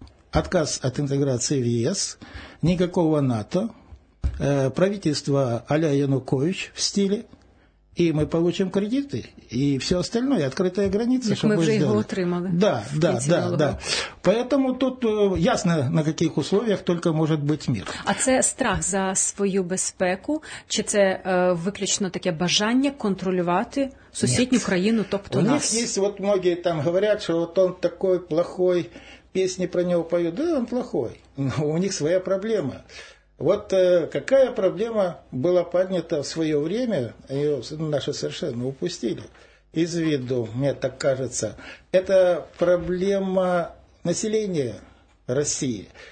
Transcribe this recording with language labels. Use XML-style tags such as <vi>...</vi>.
<ru>Отказ от интеграции в ЕС, никакого НАТО, правительство а-ля Янукович в стиле, и мы получим кредиты, и все остальное, открытая граница. Так мы уже сделали. Его отримали. Да. Поэтому тут ясно, на каких условиях только может быть мир.</ru> <uk>А це страх за свою безпеку, чи це виключно таке бажання контролювати сусідню країну, тобто нас? У них є, от многі там говорять, що от</uk> <ru>он такой плохой,</ru> <uk>пісні про нього поют.</uk> <ru>Да, он плохой, но у них своя проблема. Вот какая проблема была поднята в свое время, ее наши совершенно упустили из виду, мне так кажется, это проблема населения России.</ru>